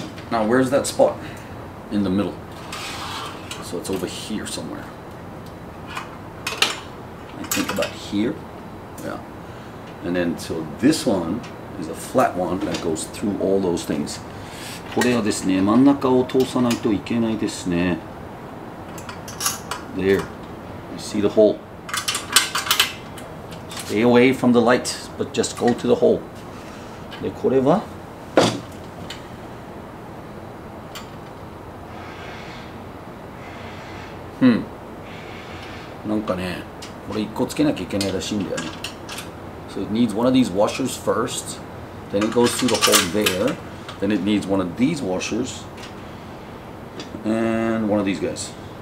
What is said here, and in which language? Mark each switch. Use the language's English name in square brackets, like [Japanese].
[English] Now, where's that spot? In the middle. So it's over here somewhere. I think about here. Yeah. And then so this one is a flat one that goes through all those things. [Japanese] これはですね、真ん中を通さないといけないですね。 [English] There. You see the hole. Stay away from the light, but just go to the hole. [Japanese] で、これは？なんかね、これ一個つけなきゃいけないらしいんだよね。 [English] So it needs one of these washers first, then it goes through the hole there. Then it needs one of these washers and one of these guys.